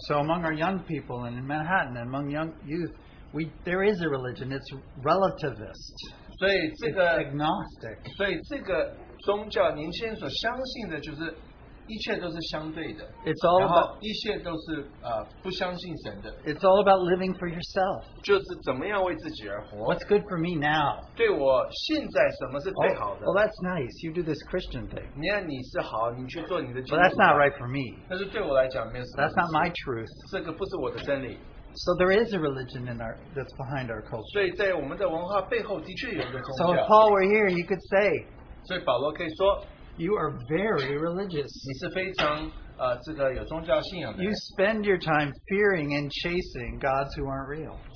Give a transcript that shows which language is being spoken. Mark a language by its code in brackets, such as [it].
[en] So among our young people and in Manhattan, and among young youth, there is a religion. It's relativist. It's agnostic. [zh] 所以这个宗教，年轻人所相信的就是。一切都是相对的, [en] it's all [zh] 然后, [en] about [zh] 一切都是, 不相信神的, [en] it's all about living for yourself. [zh] 就是怎么样为自己而活, [en] what's good for me now? [zh] 对我现在什么是最好的? [en] Well, that's nice. You do this Christian thing. [zh] 你看你是好, [en] but that's not right for me. [zh] 但是对我来讲没有什么意思, [en] that's not my truth. [zh] 这个不是我的真理。 [en] So there is a religion in our that's behind our culture. [zh] 所以在我们的文化背后的确有一个宗教。 [en] So if Paul were here, he could say, [zh] 所以保罗可以说, [en] you are very religious. [zh] 你是非常, [en] you spend your time fearing and chasing gods who aren't real.